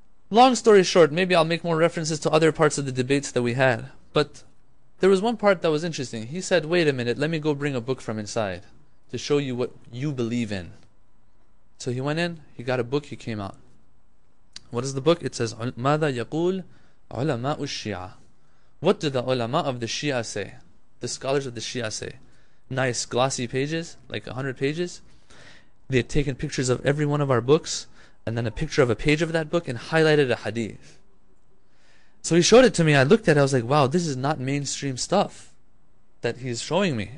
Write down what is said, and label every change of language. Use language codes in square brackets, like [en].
[en] Long story short, maybe I'll make more references to other parts of the debates that we had. But there was one part that was interesting. He said, wait a minute, let me go bring a book from inside to show you what you believe in. So he went in, he got a book, he came out. What is the book? It says, [ar] ماذا يقول علماء الشيعة. [en] What do the ulama of the Shia say? The scholars of the Shia say. Nice glossy pages, like 100 pages. They had taken pictures of every one of our books and then a picture of a page of that book and highlighted a hadith. So he showed it to me. I looked at it. I was like, wow, this is not mainstream stuff that he's showing me.